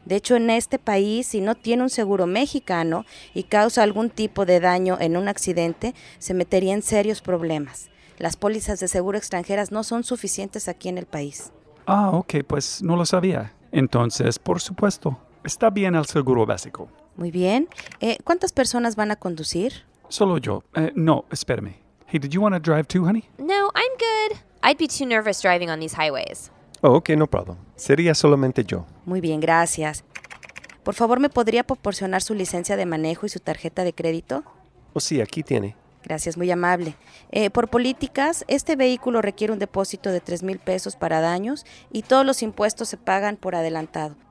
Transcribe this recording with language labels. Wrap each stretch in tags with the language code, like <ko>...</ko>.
<es>De hecho, en este país, si no tiene un seguro mexicano y causa algún tipo de daño en un accidente, se metería en serios problemas. Las pólizas de seguro extranjeras no son suficientes aquí en el país. Ah, ok. Pues no lo sabía. Entonces, por supuesto, está bien el seguro básico. Muy bien. ¿Cuántas personas van a conducir? Solo yo. No, espéreme.</es> <en>Hey, did you want to drive too, honey? No, I'm good. I'd be too nervous driving on these highways. Oh, okay, no problem.</en> <es>Sería solamente yo. Muy bien, gracias. Por favor, ¿me podría proporcionar su licencia de manejo y su tarjeta de crédito? Oh, sí, aquí tiene. Gracias, muy amable. Por políticas, este vehículo requiere un depósito de $3,000 para daños y todos los impuestos se pagan por adelantado.</es>